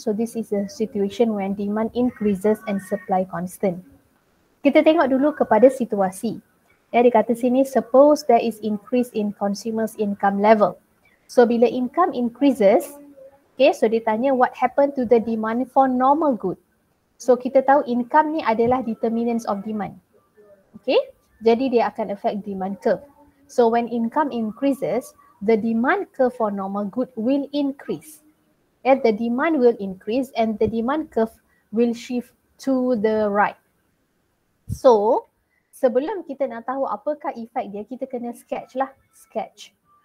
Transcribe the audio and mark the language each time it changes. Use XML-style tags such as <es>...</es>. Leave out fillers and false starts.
<en>So this is a situation when demand increases and supply constant.</en> <ms>Kita tengok dulu kepada situasi. Ya, dia kata sini,</ms> <en>suppose there is increase in consumer's income level. So</en> <ms>bila</ms> <en>income increases, okay, so</en> <ms>dia tanya</ms> <en>what happened to the demand for normal good.</en> <ms>So kita tahu income ni adalah</ms> <en>determinants of demand. Okay.</en> <ms>Jadi dia akan</ms> <en>affect demand curve. So when income increases, the demand curve for normal good will increase. And the demand will increase and the demand curve will shift to the right.</en> <ms>So sebelum kita nak tahu apakah effect dia, kita kena sketch lah. Sketch.</ms>